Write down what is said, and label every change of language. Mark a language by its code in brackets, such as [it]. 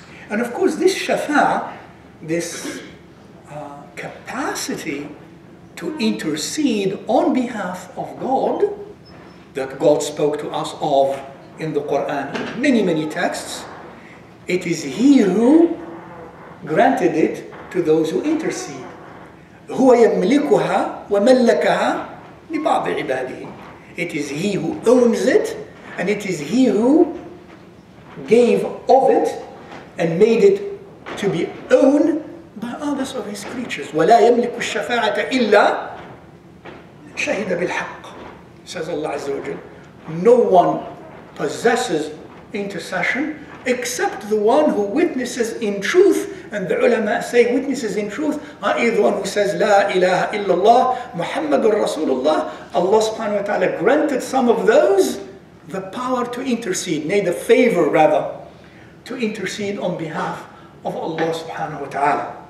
[en] And of course this shafa'ah, this capacity to intercede on behalf of God, that God spoke to us of in the Quran, in many, many texts, it is He who granted it to those who intercede. [ar] هو يملكها وملكها لبعض عباده. [en] It is He who owns it, and it is He who gave of it and made it to be owned by others of His creatures. [ar] ولا يملك الشفاعة إلا شهد بالحق, [en] says Allah Azza wa Jal. No one possesses intercession except the one who witnesses in truth, and the ulama say witnesses in truth are the one who says [ar] La ilaha illallah Muhammadur Rasulullah. [en] Allah subhanahu wa ta'ala granted some of those the power to intercede, nay the favor rather, to intercede on behalf of Allah subhanahu wa ta'ala.